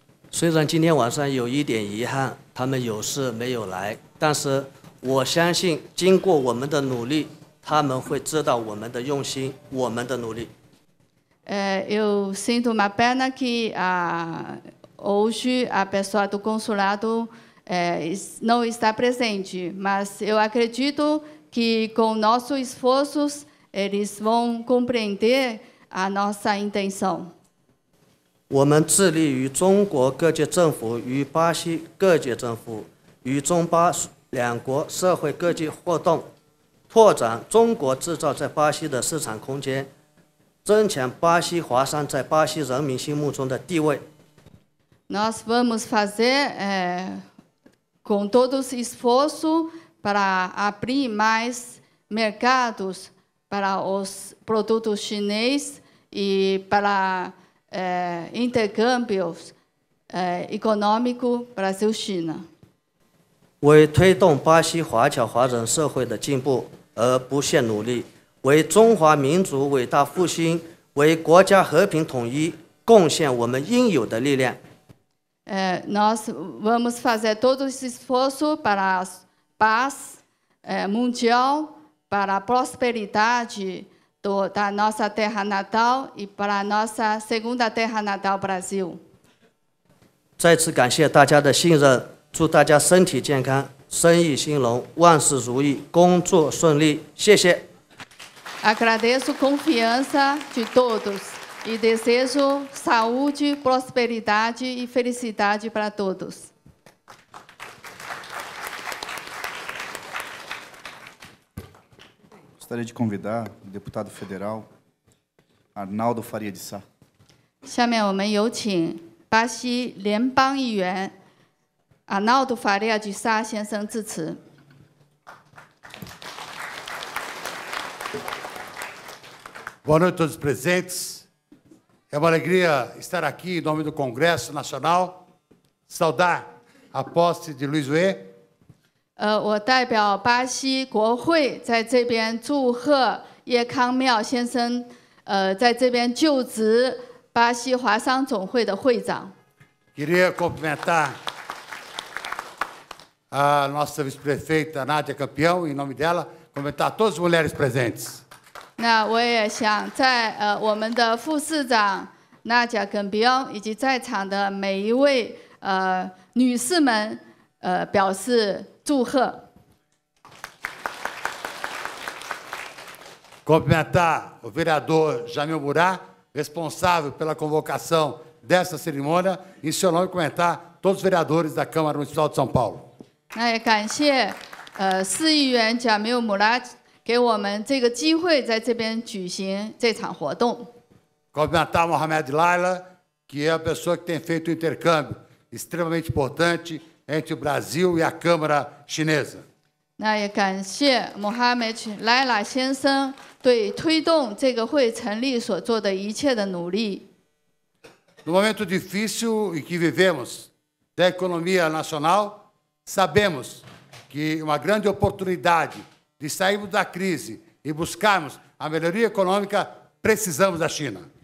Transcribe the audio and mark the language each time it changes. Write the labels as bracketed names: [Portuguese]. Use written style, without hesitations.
[Chinese] 虽然今天晚上有一点遗憾，他们有事没有来，但是我相信经过我们的努力，他们会知道我们的用心，我们的努力。 [Portuguese] Eu sinto uma pena que hoje a pessoa do consulado não está presente, mas eu acredito que com nossos esforços eles vão compreender a nossa intenção. [Chinese] 我们致力于中国各界政府与巴西各界政府与中巴两国社会各界互动，拓展中国制造在巴西的市场空间，增强巴西华商在巴西人民心目中的地位。 [Portuguese] Nós vamos fazer com todos esforço para abrir mais mercados para os produtos chineses e paraintercâmbio econômico Brasil-China. [Chinese] 为推动巴西华侨华人社会的进步而不懈努力，为中华民族伟大复兴，为国家和平统一贡献我们应有的力量。 [Portuguese] Nós vamos fazer todo esse esforço para a paz mundial, para a prosperidade. Da nossa terra natal e para a nossa segunda terra natal, Brasil. [Chinese] 再次感谢大家的信任，祝大家身体健康，生意兴隆，万事如意，工作顺利，谢谢。 [Portuguese] Agradeço a confiança de todos e desejo saúde, prosperidade e felicidade para todos. Gostaria de convidar o deputado federal Arnaldo Faria de Sá. [Chinese] 下面我们有请巴西联邦议员 Arnaldo Faria de Sá 先生致辞。 [Portuguese] Boa noite a todos presentes. É uma alegria estar aqui em nome do Congresso Nacional, saudar a posse de Luiz Ué. [Chinese] 我代表巴西国会在这边祝贺叶康庙先生，在这边就职巴西华商总会的会长。 [Portuguese] Queria cumprimentar a nossa vice-prefeita Nádia Campeão, em nome dela, cumprimentar todas as mulheres presentes. [Chinese] 那我也想在我们的副市长Nádia Campeão以及在场的每一位女士们表示。祝贺！ [Portuguese] Cumprimentar o vereador Jamil Murá, responsável pela convocação dessa cerimônia, e seu nome cumprimentar todos os vereadores da Câmara Municipal de São Paulo. [Chinese] 那也感谢市议员贾缪姆拉给我们这个机会，在这边举行这场活动。 [Portuguese] Cumprimentar Mohamed Laila, que é a pessoa que tem feito um intercâmbio extremamente importante entre o Brasil e a Câmara Chinesa. [Chinese] 那也感谢穆哈默德莱拉先生对推动这个会成立所做的一切的努力。 [Portuguese] No momento difícil em que vivemos da economia nacional, sabemos que uma grande oportunidade de sairmos da crise e buscarmos a melhoria econômica, precisamos da China.